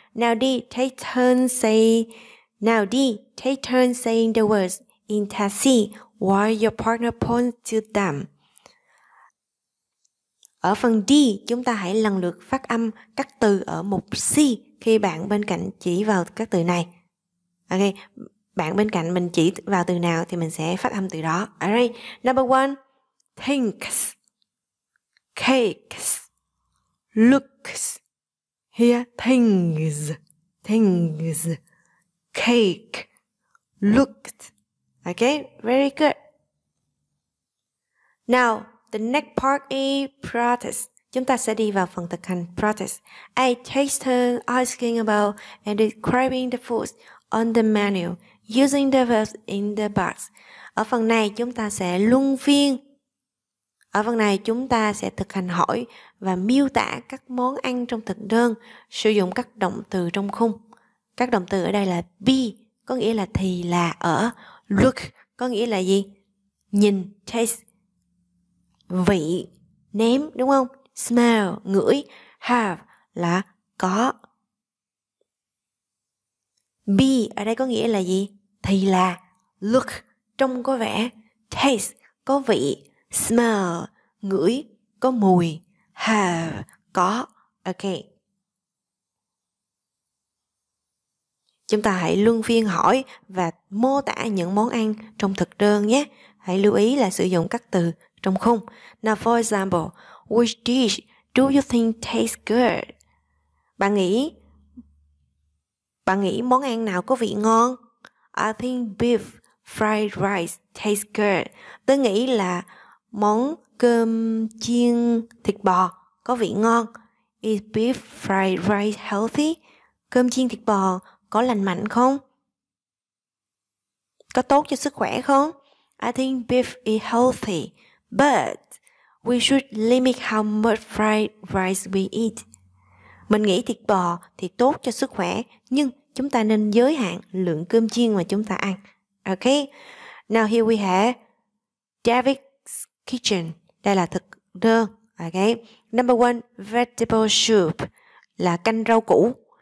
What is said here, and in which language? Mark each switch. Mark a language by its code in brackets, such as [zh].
[en] Now D, take turns saying the words in Tasi while your partner points to them. [vi] Ở phần D, chúng ta hãy lần lượt phát âm các từ ở mục C khi bạn bên cạnh chỉ vào các từ này. Ok, bạn bên cạnh mình chỉ vào từ nào thì mình sẽ phát âm từ đó. [en] Alright, number one, thinks, cakes, looks. Here, things, things, cake, looked. Okay, very good. Now, the next part is practice. [vi] Chúng ta sẽ đi vào phần thực hành practice. [en] I take turns asking about and describing the foods on the menu using the verbs in the box. [vi] Ở phần này chúng ta sẽ luân phiên. Ở phần này chúng ta sẽ thực hành hỏi và miêu tả các món ăn trong thực đơn sử dụng các động từ trong khung. Các động từ ở đây là be, có nghĩa là thì, là, ở. Look, có nghĩa là gì? Nhìn, taste. Vị, nếm, đúng không? Smell, ngửi. Have, là có. Be, ở đây có nghĩa là gì? Thì là. Look, trông có vẻ. Taste, có vị. Smell, ngửi, có mùi. Have, có. Ok. Chúng ta hãy luân phiên hỏi và mô tả những món ăn trong thực đơn nhé. Hãy lưu ý là sử dụng các từ trong khung. [en] Now for example, which dish do you think tastes good? [vi] Bạn nghĩ món ăn nào có vị ngon? [en] I think beef fried rice tastes good. [vi] Tôi nghĩ là món cơm chiên thịt bò có vị ngon. [en] Is beef fried rice healthy? [vi] Cơm chiên thịt bò có lành mạnh không? Có tốt cho sức khỏe không? [en] I think beef is healthy, but we should limit how much fried rice we eat. [vi] Mình nghĩ thịt bò thì tốt cho sức khỏe, nhưng chúng ta nên giới hạn lượng cơm chiên mà chúng ta ăn. [en] Okay, now here we have David's Kitchen. [vi] Đây là thực đơn. [en] Okay, number one, vegetable soup, [vi] là canh rau củ.